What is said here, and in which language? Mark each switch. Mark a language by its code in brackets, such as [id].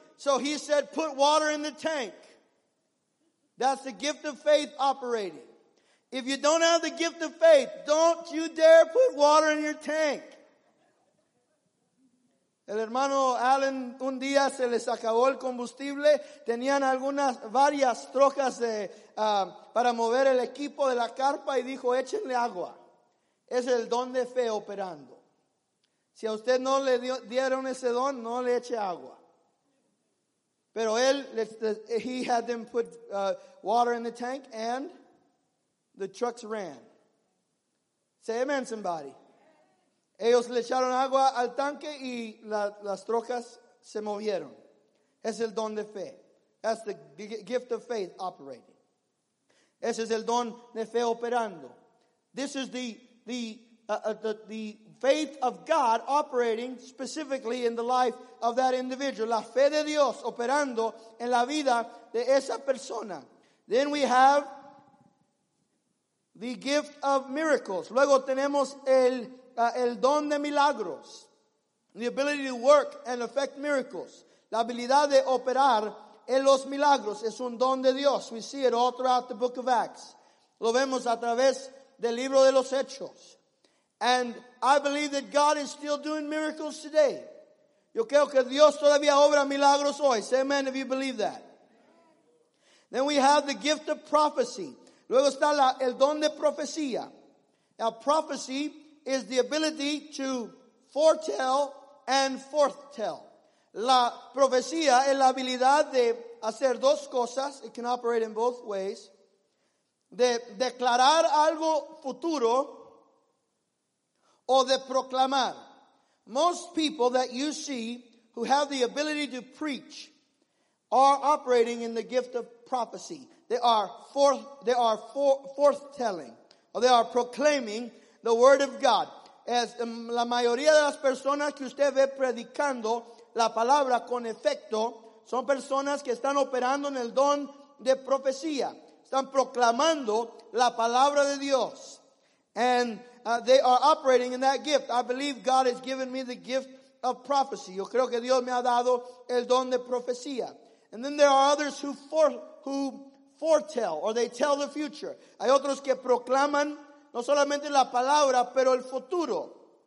[en] So he said, put water in the tank. That's the gift of faith operating. If you don't have the gift of faith, don't you dare put water in your tank. [es] El hermano Allen, un día se les acabó el combustible. Tenían algunas, varias trocas de, para mover el equipo de la carpa y dijo, échenle agua. Es el don de fe operando. Si a usted no le dieron ese don, no le eche agua. Pero él, [en] he had them put water in the tank and the trucks ran. Say amen, somebody. [es] Ellos le echaron agua al tanque y las trocas se movieron. Es el don de fe. [en] That's the gift of faith operating. [es] Ese es el don de fe operando. [en] This is the faith of God operating specifically in the life of that individual. [es] La fe de Dios operando en la vida de esa persona. [en] Then we have the gift of miracles. [es] Luego tenemos el don de milagros. [en] The ability to work and effect miracles. [es] La habilidad de operar en los milagros es un don de Dios. [en] We see it all throughout the book of Acts. [es] Lo vemos a través del libro de los hechos. [en] And I believe that God is still doing miracles today. [es] Yo creo que Dios todavía obra milagros hoy. [en] Say amen if you believe that. Then we have the gift of prophecy. [es] Luego está el don de profecía. [en] Now prophecy is the ability to foretell and forthtell. [es] La profecía es la habilidad de hacer dos cosas. [en] It can operate in both ways. [es] De declarar algo futuro o de proclamar. [en] Most people that you see who have the ability to preach are operating in the gift of prophecy. They are forth telling. Or they are proclaiming the word of God. [es] As la mayoría de las personas que usted ve predicando la palabra con efecto son personas que están operando en el don de profecía. Están proclamando la palabra de Dios. [en] And they are operating in that gift. I believe God has given me the gift of prophecy. [es] Yo creo que Dios me ha dado el don de profecía. [en] And then there are others who foretell or they tell the future. [es] Hay otros que proclaman no solamente la palabra, pero el futuro.